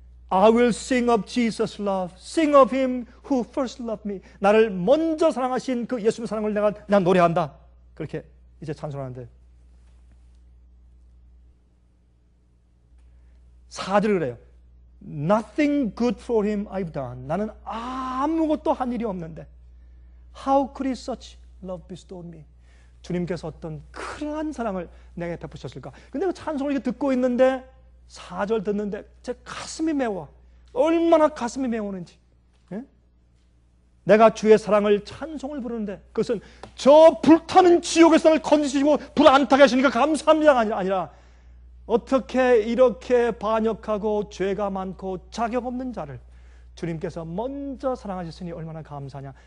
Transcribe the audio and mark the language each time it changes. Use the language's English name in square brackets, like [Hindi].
[English] I will sing of Jesus' love, sing of him who first loved me. [Korean] 나를 먼저 사랑하신 그 예수님 사랑을 내가 노래한다. 그렇게 이제 찬송하는데 사절을 그래요. [English] Nothing good for him I've done. [Korean] 나는 아무것도 한 일이 없는데 [English] How could he such love bestow on me? [Korean] 주님께서 어떤 그러한 사랑을 내게 베푸셨을까? 근데 그 찬송을 이렇게 듣고 있는데 4절 듣는데 제 가슴이 메워. 얼마나 가슴이 메우는지. 예? 내가 주의 사랑을 찬송을 부르는데 그것은 저 불타는 지옥에서 나를 건지시고 불 안 타게 하시니까 감사합니다가 아니라 어떻게 이렇게 반역하고 죄가 많고 자격 없는 자를 주님께서 먼저 사랑하셨으니 얼마나 감사하냐.